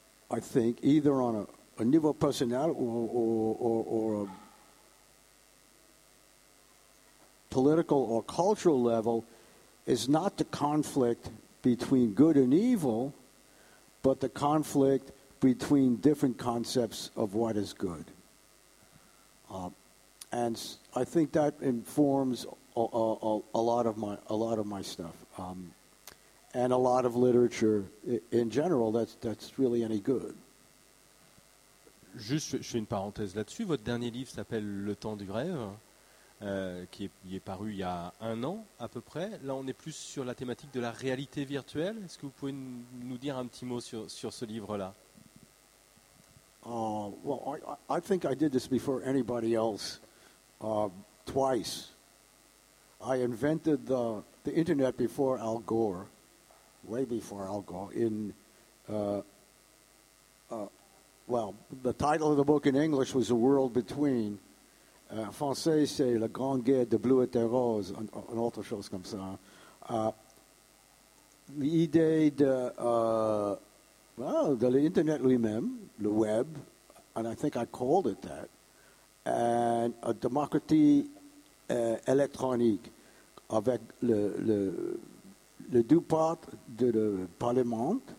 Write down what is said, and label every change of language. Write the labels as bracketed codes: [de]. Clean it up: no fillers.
[en] I think, either on a [fr] niveau personnel [en] or a political or cultural level, is not the conflict between good and evil, but the conflict between different concepts of what is good. And I think that informs a lot of my stuff, and a lot of literature in general that's really any good. [fr] Juste, je fais une parenthèse là-dessus. Votre dernier livre s'appelle Le Temps du Rêve, qui est paru il y a un an à peu près. Là, on est plus sur la thématique de la réalité virtuelle. Est-ce que vous pouvez nous dire un petit mot sur ce livre-là? [en] Well, I think I did this before anybody else twice. I invented the internet before Al Gore, way before Al Gore, the title of the book in English was The World Between. [fr] En français, c'est La Grande Guerre de Bleu et de Rose, un autre chose comme ça. L'idée de l'internet lui-même, le web, [en] and I think I called it that, and a [fr] démocratie électronique, avec le deux parts de le parlement.